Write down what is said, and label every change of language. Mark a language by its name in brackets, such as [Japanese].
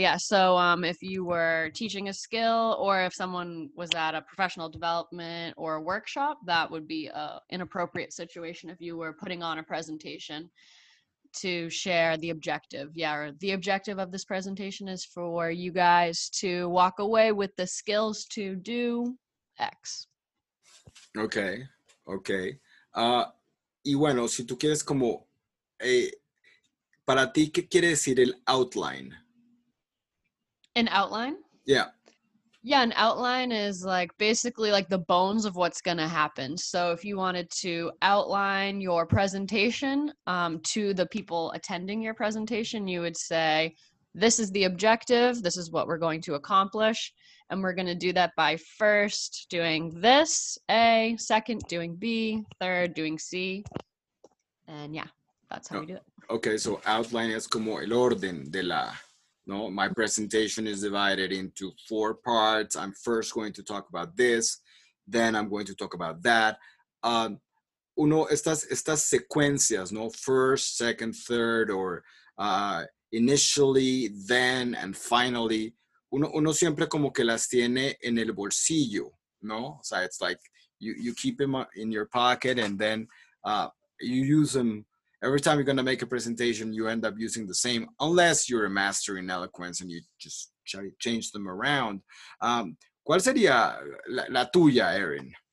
[English] Yeah, so if you were teaching a skill or if someone was at a professional development or a workshop, that would be an appropriate situation if you were putting on a presentation. To share the objective. Yeah, the objective of this presentation is for you guys to walk away with the skills to do X. Okay, okay. [Spanish] Y bueno, si tú quieres como, para ti, ¿qué quiere decir el outline? [English] An outline? Yeah. Yeah, an outline is like basically like the bones of what's going to happen. So if you wanted to outline your presentation to the people attending your presentation, you would say, this is the objective. This is what we're going to accomplish. And we're going to do that by first doing this, A, second doing B, third doing C. And yeah, that's how we do it. Okay, so outline is [Spanish] como el orden de la... [English] No, my presentation is divided into four parts. I'm first going to talk about this, then I'm going to talk about that. [Spanish] Uno, estas secuencias, no, [English] first, second, third, or initially, then, and finally. [Spanish] Uno siempre como que las tiene en el bolsillo, no? [English] So it's like you keep them in your pocket, and then you use them. Every time you're going to make a presentation, you end up using the same, unless you're a master in eloquence and you just change them around. [Spanish] ¿Cuál sería la tuya, Erin?